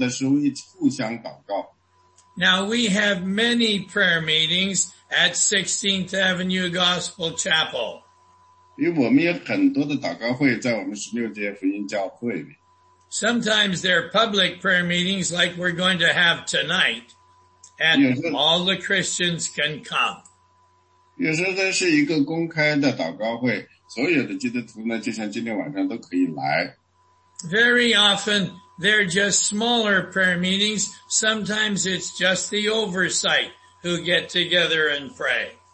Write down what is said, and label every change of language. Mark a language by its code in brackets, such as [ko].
[zh] 他们在那的时候呢，他们三个人一定会也特殊能力加祷告，但是他们更多的时候一起互相祷告。 [en] Now we have many prayer meetings at 16th Avenue Gospel Chapel. [zh] 因为我们有很多的祷告会在我们16街福音教会里。 [en] Sometimes there are public prayer meetings like we're going to have tonight. And all the Christians can come. [zh] 有时候呢是一个公开的祷告会，所有的基督徒呢，就像今天晚上都可以来。 [en] Very often, they're just smaller prayer meetings. Sometimes it's just the oversight who get together and pray.